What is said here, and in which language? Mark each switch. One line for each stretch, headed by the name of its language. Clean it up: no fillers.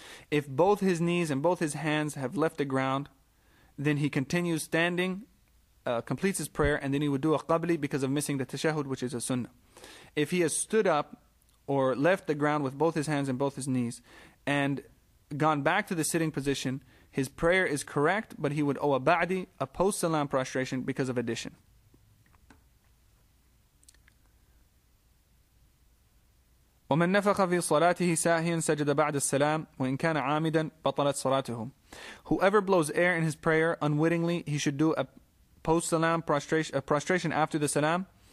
English: If both his knees and both his hands have left the ground, then he continues standing, completes his prayer, and then he would do a qabli because of missing the tashahud, which is a sunnah. If he has stood up or left the ground with both his hands and both his knees and gone back to the sitting position, his prayer is correct, but he would owe a ba'di, a post-salam prostration, because of addition.
Arabic: ومن نفخ في صلاته ساهيا سجد بعد السلام وإن كان عامدا بطلت صلاته.
English: Whoever blows air in his prayer unwittingly, he should do a post-salam prostration after the salam.